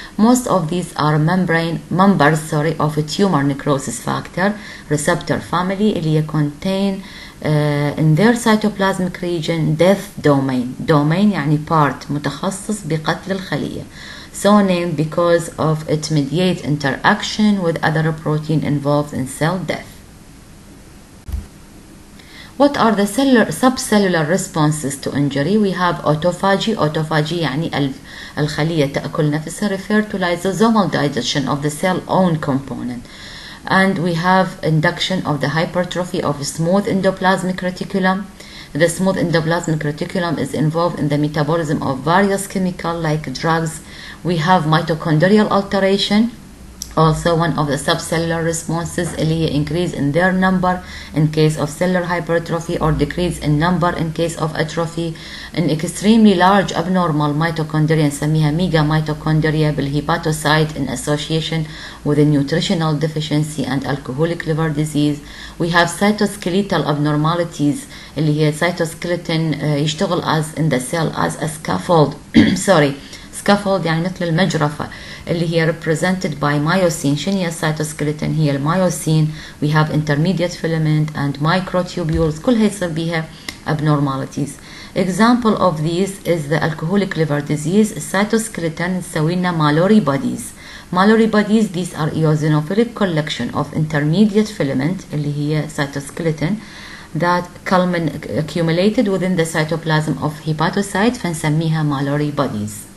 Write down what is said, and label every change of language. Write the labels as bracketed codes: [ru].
[en] Most of these are members of a tumor necrosis factor receptor family اللي contain in their cytoplasmic region death domain. [ar] Domain يعني part متخصص بقتل الخلية. [en] So named because of its mediate interaction with other protein involved in cell death. What are the cellular subcellular responses to injury? We have autophagy. [ar] Autophagy يعني الخلية تأكل نفسها. [en] Refer to lysosomal digestion of the cell own component. And we have induction of the hypertrophy of smooth endoplasmic reticulum. The smooth endoplasmic reticulum is involved in the metabolism of various chemicals like drugs. We have mitochondrial alteration, also one of the subcellular responses, increase in their number in case of cellular hypertrophy or decrease in number in case of atrophy. An extremely large abnormal mitochondria, نسميها mega mitochondria, بالهيباتوسايت in association with a nutritional deficiency and alcoholic liver disease. We have cytoskeletal abnormalities, اللي هي cytoskeleton يشتغل as in the cell as a scaffold. [ar] Scaffold يعني مثل المجرفة اللي هي [en] represented by myosin. [ar] شنو هي [en] cytoskeleton؟ [ar] هي الميوسين. [en] We have intermediate filament and microtubules. [ar] كل هاي يصير بيها abnormalities. [en] Example of these is the alcoholic liver disease. Cytoskeleton نسوي لنا Mallory bodies. Mallory bodies, these are eosinophilic collection of intermediate filament اللي هي cytoskeleton that accumulated within the cytoplasm of hepatocyte فنسميها Mallory bodies.